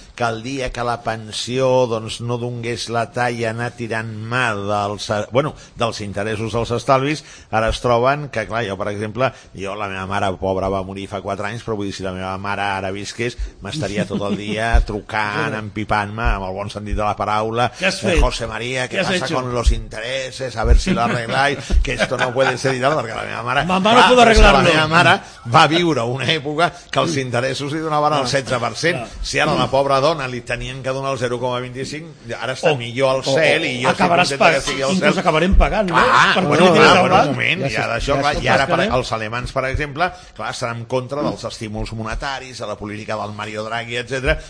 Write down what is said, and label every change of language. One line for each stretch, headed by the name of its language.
Catalan: que el dia que la pensió doncs, no donés la talla anar tirant mà dels, bueno, dels interessos dels estalvis, ara es troben que, clar, jo, per exemple, jo, la meva mare pobra va morir fa 4 anys, però vull dir, si la meva mare ara visqués, m'estaria tot el dia trucant, empipant-me, amb el bon sentit de la paraula, José María, què passa
Spanish: con los
Catalan: interessos?
Spanish: Intereses, a ver si lo arregláis, que esto no puede ser y tal, porque
Catalan: la meva mare,
Spanish: no puedo arreglarlo.
Catalan: La meva mare va viure una època que els interessos li donaven el 16%. Si ara la pobra dona li tenien que donar el 0,25%, ara està millor al cel i jo acabaràs pagant, acabarem pagant, clar, no? Per bueno, clar, bueno, un moment, ja d'això, ja i ara per, els alemans, per exemple, clar, estan en contra dels estímuls monetaris, de la política del Mario Draghi, etc.